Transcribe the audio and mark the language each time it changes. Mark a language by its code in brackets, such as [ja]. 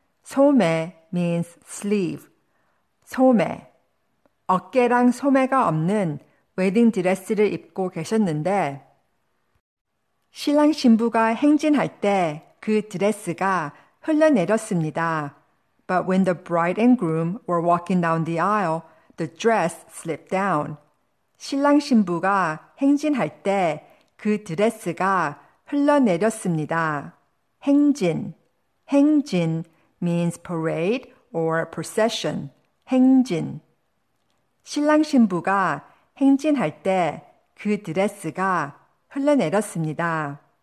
[en] 소매 means sleeve. 소매. [ko] 어깨랑 소매가 없는 웨딩 드레스를 입고 계셨는데 신랑 신부가 행진할 때 그 드레스가 흘러내렸습니다. [en] But when the bride and groom were walking down the aisle, the dress slipped down. [ko] 신랑 신부가 행진할 때 그 드레스가 흘러내렸습니다. [en] 행진. 행진 means parade or procession. 행진. [ko] 신랑 신부가 행진할 때 그 드레스가 흘러내렸습니다.